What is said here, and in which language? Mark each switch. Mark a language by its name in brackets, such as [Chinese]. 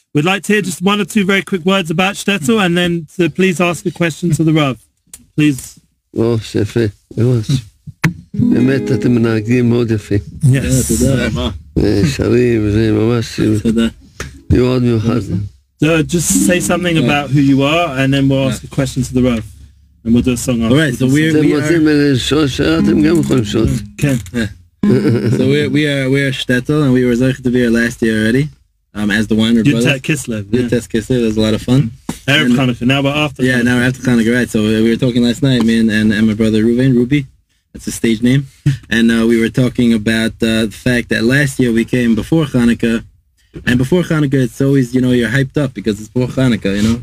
[English] We'd like to hear just one or two very quick words about Shtetl, and then to please ask a question to the Rav. Please. Oh, Shefe, it was. [Hebrew] באמת אתם מנהגים מאוד יפה. [English] Yes. [Hebrew] תודה רבה. שרים, זה ממש... תודה. מיוחד. [English] Just say something about who you are, and then we'll ask a question to the Rav. And we'll do a song after. Alright, so we're, we are... [Hebrew] אתם רוצים לשאול שאלה, אתם גם יכולים לשאול. כן. [English] So we are Shtetl, and we were zoche to be here last year already, as the Weiner brothers. Yutet Kislev. Yutet yeah. Kislev, it was a lot of fun. Erev Chanukah, now we're after. Yeah, now we're after Chanukah, right. So we were talking last night, me and my brother Ruven, Ruby, that's his stage name. And we were talking about the fact that last year we came before Chanukah, and before Chanukah it's always, you know, you're hyped up because it's before Chanukah, you know.